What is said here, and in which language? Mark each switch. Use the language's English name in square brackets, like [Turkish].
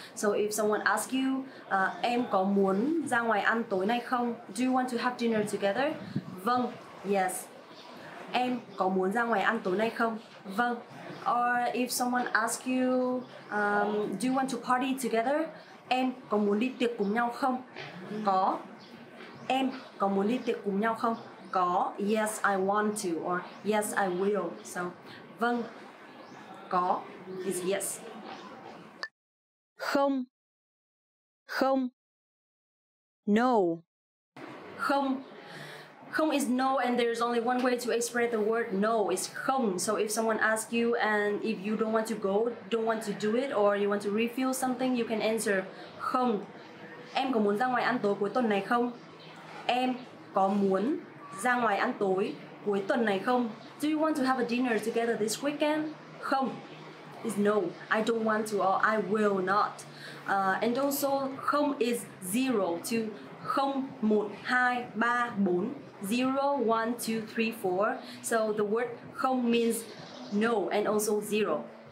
[English] So if someone asks you, [Vietnamese] em có muốn ra ngoài ăn tối nay không? [English] Do you want to have dinner together? [Vietnamese] Vâng. [English] Yes. [Vietnamese] Em có muốn ra ngoài ăn tối nay không? Vâng. [English] Or if someone asks you, [Vietnamese] do you want to party together? Em có muốn đi tiệc cùng nhau không? Có. Em có muốn đi tiệc cùng nhau không? [English] Có. Yes, I want to. Or yes, I will. So, vâng. Có. Is yes. [Vietnamese] Không. Không. No. Không. [English] Không is no, and there's only one way to express the word no, is không. So if someone asks you and if you don't want to go, don't want to do it, or you want to refill something, you can answer không. [Vietnamese] Em có muốn ra ngoài ăn tối cuối tuần này không? Em có muốn ra ngoài ăn tối cuối tuần này không? [English] Do you want to have a dinner together this weekend? [Vietnamese] Không. [English] Is no, I don't want to or I will not. And also, không is 0 to 0, 1, 2, 3, 4. 0, 1, 2, 3, 4. So the word không means no and also 0.